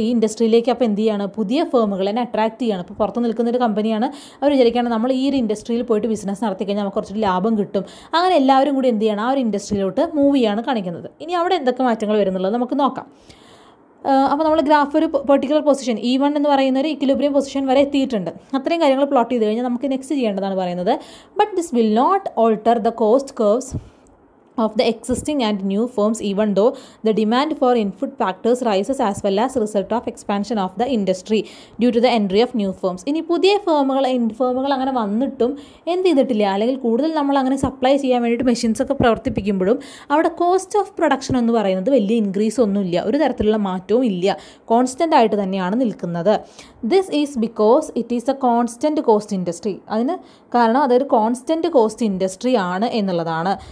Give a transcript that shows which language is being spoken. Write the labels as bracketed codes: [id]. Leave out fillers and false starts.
[ml] ഈ ഇൻഡസ്ട്രിയിലേക്ക് അപ്പോൾ എന്ത് ചെയ്യാണ്? പുതിയ ഫേമുകൾ തന്നെ അട്രാക്ട് ചെയ്യാണ്. ഇപ്പോൾ പുറത്ത് നിൽക്കുന്ന ഒരു കമ്പനിയാണ്, അവർ വിചാരിക്കുകയാണ് നമ്മൾ ഈ ഒരു ഇൻഡസ്ട്രിയിൽ പോയിട്ട് ബിസിനസ് നടത്തിക്കഴിഞ്ഞാൽ നമുക്ക് കുറച്ചൊരു ലാഭം കിട്ടും. അങ്ങനെ എല്ലാവരും കൂടി എന്ത് ചെയ്യണം? ആ ഒരു ഇൻഡസ്ട്രിയിലോട്ട് മൂവ് ചെയ്യാണ് കാണിക്കുന്നത്. ഇനി അവിടെ എന്തൊക്കെ മാറ്റങ്ങൾ വരുന്നുള്ളത് നമുക്ക് നോക്കാം. അപ്പോൾ നമ്മൾ ഗ്രാഫ് ഒരു പെർട്ടിക്കുലർ പൊസിഷൻ E1 എന്ന് പറയുന്ന ഒരു ഇക്വിലിബ്രിയം പൊസിഷൻ വരെ എത്തിയിട്ടുണ്ട്. അത്രയും കാര്യങ്ങൾ പ്ലോട്ട് ചെയ്ത് കഴിഞ്ഞാൽ നമുക്ക് നെക്സ്റ്റ് ചെയ്യേണ്ടതാണ് പറയുന്നത്. [en] But this will not alter the cost curves of the existing and new firms, even though the demand for input factors rises as well as result of expansion of the industry due to the entry of new firms. [ml] ഇനി പുതിയ ഫേമുകൾ അങ്ങനെ വന്നിട്ടും എന്ത് ചെയ്തിട്ടില്ല, അല്ലെങ്കിൽ കൂടുതൽ നമ്മൾ അങ്ങനെ സപ്ലൈ ചെയ്യാൻ വേണ്ടിയിട്ട് മെഷീൻസൊക്കെ പ്രവർത്തിപ്പിക്കുമ്പോഴും അവിടെ കോസ്റ്റ് ഓഫ് പ്രൊഡക്ഷൻ എന്ന് പറയുന്നത് വലിയ ഇൻക്രീസ് ഒന്നുമില്ല, ഒരു തരത്തിലുള്ള മാറ്റവും ഇല്ല, കോൺസ്റ്റൻ്റ് ആയിട്ട് തന്നെയാണ് നിൽക്കുന്നത്. [en] This is because it is a constant cost industry. [ml] അതിന് കാരണം അതൊരു കോൺസ്റ്റൻറ്റ് കോസ്റ്റ് ഇൻഡസ്ട്രി ആണ് എന്നുള്ളതാണ്.